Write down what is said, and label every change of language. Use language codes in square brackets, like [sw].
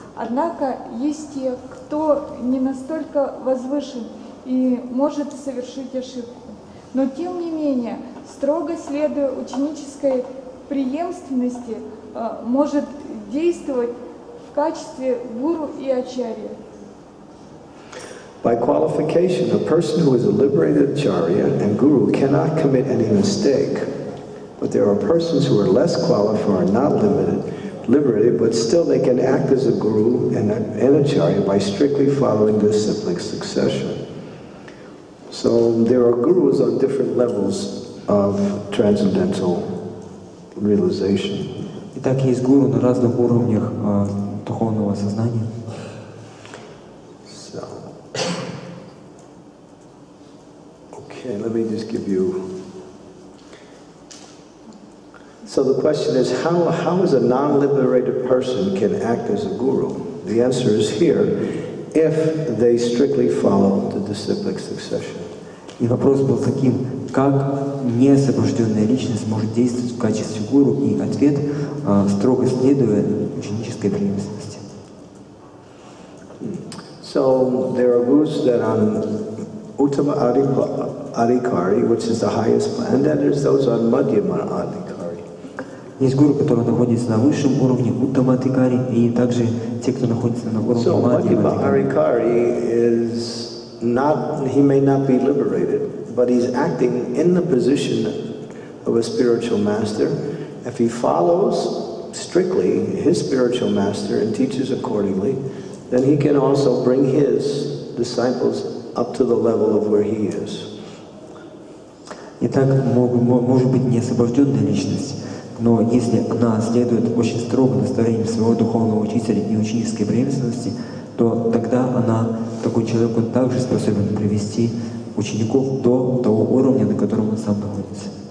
[ru] Однако есть те, кто не настолько возвышен и может совершить ошибку. Но тем не менее, строго следуя ученической преемственности, может действовать в качестве гуру и ачарьи. [en] By qualification, a person who is a liberated acharya and guru cannot commit any mistake. But there are persons who are less qualified and not limited, liberated, but still they can act as a guru and an acharya by strictly following this simplex succession. So there are gurus on different levels of transcendental realization. [ru] Итак, есть гуру на разных уровнях духовного сознания. [en] So, okay, let me just give you. So the question is, how is a non-liberated person can act as a guru? The answer is here, if they strictly follow the disciplic succession. [ru] И вопрос был таким, как неосвобожденная личность может действовать в качестве гуру, и ответ строго следуя ученической преемственности. [en] So there are gurus that on Uttama Adhikari, which is the highest plan, and then there's those on Madhyama Adhikari. [ru] Есть гуру, который находится на высшем уровне Uttama Adhikari, и также те, кто находится на уровне Madhyama Adhikari. [en] So Madhyama Adhikari is not, he may not be liberated, but he's acting in the position of a spiritual master. If he follows strictly his spiritual master and teaches accordingly, then he can also bring his disciples up to the level of where he is. [ru] Итак, может быть не освобожденная личность, но если она следует очень строго наставлениям своего духовного учителя и ученической преемственности, то тогда она, такой человек, он также способен привести учеников до того уровня, на котором он сам находится.